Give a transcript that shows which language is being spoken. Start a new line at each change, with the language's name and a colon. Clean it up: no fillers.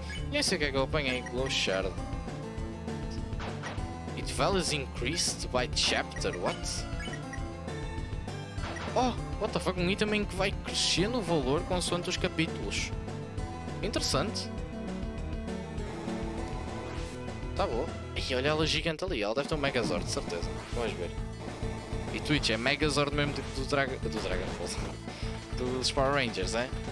Portuguese: Nem sei o que é que eu apanhei, Glow Shard.
English: It values increased by chapter, what? Oh, what the fuck,
Portuguese: um item em que vai crescendo o valor consoante os capítulos. Interessante. Tá bom. E olha ela gigante ali, ela deve ter um Megazord, de certeza. Vamos ver. E Twitch, é Megazord mesmo do Dragon Ball. Dos Power Rangers, é?